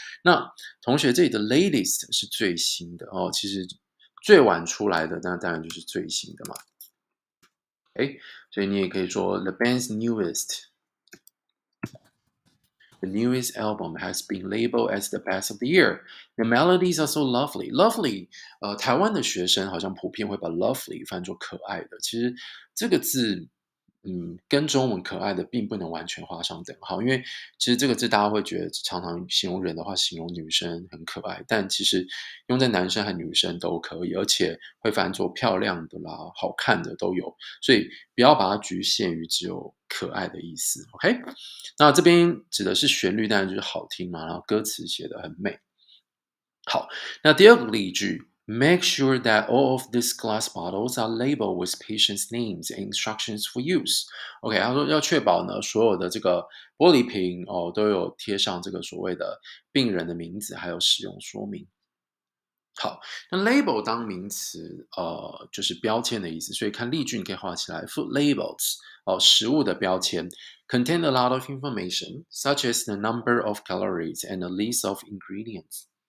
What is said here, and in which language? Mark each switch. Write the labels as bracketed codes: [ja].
[zh] 那同学这里的 latest 是最新的哦，其实最晚出来的，那当然就是最新的嘛。哎，所以你也可以说 [en] the band's newest， the newest album has been labeled as the best of the year. The melodies are so lovely. [zh] Lovely， 台湾的学生好像普遍会把 lovely 翻作可爱的，其实这个字。跟中文可爱的并不能完全画上等号，因为其实这个字大家会觉得常常形容人的话形容女生很可爱，但其实用在男生和女生都可以，而且会翻作漂亮的啦好看的都有，所以不要把它局限于只有可爱的意思。 OK， 那这边指的是旋律当然就是好听嘛，然后歌词写得很美。好，那第二个例句， [en] Make sure that all of these glass bottles are labeled with patients' names and instructions for use. [zh] OK， 他说要确保呢，所有的这个玻璃瓶哦都有贴上这个所谓的病人的名字还有使用说明。好，那 label 当名词，就是标签的意思。所以看例句，你可以画起来 ： [en] food labels [zh] 哦，食物的标签 ， [en] contain a lot of information such as the number of calories and the list of ingredients.